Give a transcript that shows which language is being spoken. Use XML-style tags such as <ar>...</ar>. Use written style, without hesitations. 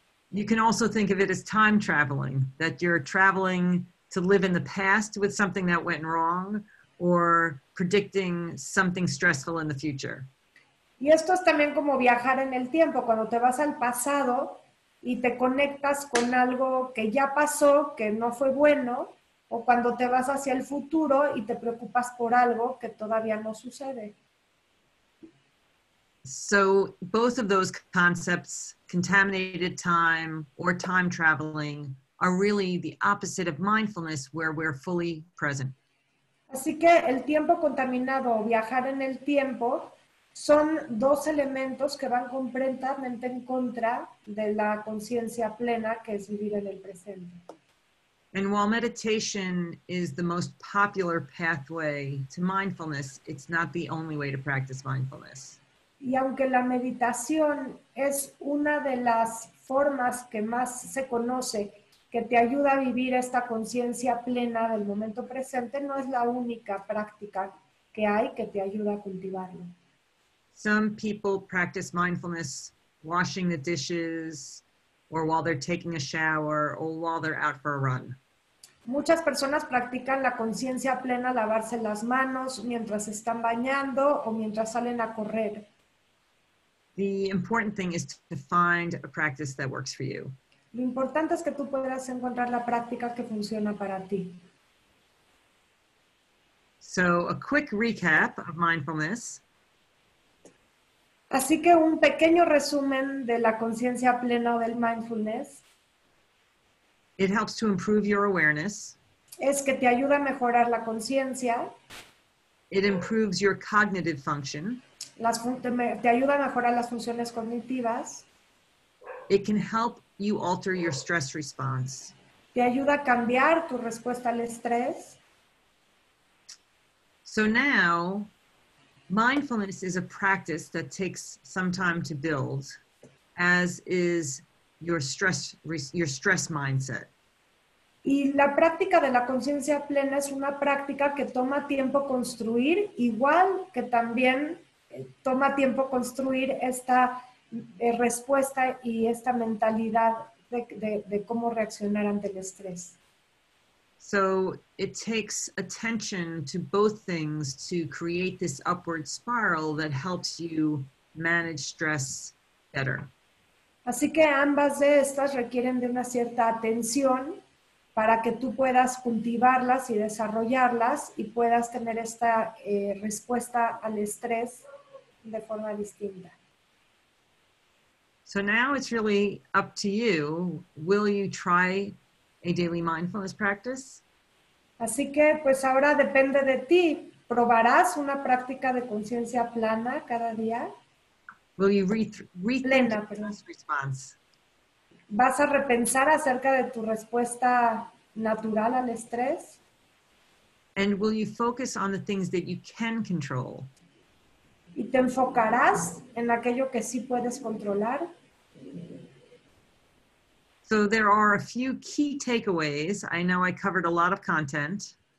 <en>You can also think of it as time traveling, that you're traveling to live in the past with something that went wrong, or predicting something stressful in the future.</en> <es>Y esto es también como viajar en el tiempo, cuando te vas al pasado y te conectas con algo que ya pasó, que no fue bueno, o cuando te vas hacia el futuro y te preocupas por algo que todavía no sucede.</es> <en>So both of those concepts, contaminated time or time traveling, are really the opposite of mindfulness, where we're fully present.</en> <es>Así que el tiempo contaminado o viajar en el tiempo son dos elementos que van completamente en contra de la conciencia plena, que es vivir en el presente.</es> <en>And while meditation is the most popular pathway to mindfulness, it's not the only way to practice mindfulness.</en> <es>Y aunque la meditación es una de las formas que más se conoce que te ayuda a vivir esta conciencia plena del momento presente, no es la única práctica que hay que te ayuda a cultivarlo.</es> <en>Some people practice mindfulness washing the dishes, or while they're taking a shower, or while they're out for a run.</en> <es>Muchas personas practican la conciencia plena lavarse las manos mientras están bañando o mientras salen a correr.</es> <en>The important thing is to find a practice that works for you.</en> <es>Lo importante es que tú puedas encontrar la práctica que funciona para ti.</es> <en>So, a quick recap of mindfulness.</en> <es>Así que un pequeño resumen de la conciencia plena del mindfulness.</es> <en>It helps to improve your awareness.</en> <es>Es que te ayuda a mejorar la conciencia.</es> <en>It improves your cognitive function.</en> <es>Te ayuda a mejorar las funciones cognitivas.</es> <en>It can help you alter your stress response.</en> <es>Te ayuda a cambiar tu respuesta al estrés.</es> <en>So now, mindfulness is a practice that takes some time to build, as is your stress mindset.</en> <es>Y la práctica de la conciencia plena es una práctica que toma tiempo construir, igual que también toma tiempo construir esta respuesta y esta mentalidad de cómo reaccionar ante el estrés.</es> <en>So it takes attention to both things to create this upward spiral that helps you manage stress better.</en> <es>Así que ambas de estas requieren de una cierta atención para que tú puedas cultivarlas y desarrollarlas y puedas tener esta respuesta al estrés de forma distinta.</es> <en>So now it's really up to you. Will you try a daily mindfulness practice?</en> <es>Así que, pues ahora depende de ti. ¿Probarás una práctica de conciencia plana cada día?</es> <en>Will you rethink your stress response?</en> <es>¿Vas a repensar acerca de tu respuesta natural al estrés?</es> <en>And will you focus on the things that you can control?</en> <es>¿Y te enfocarás en aquello que sí puedes controlar?</es> <en>So there are a few key takeaways. I know I covered a lot of content.</en>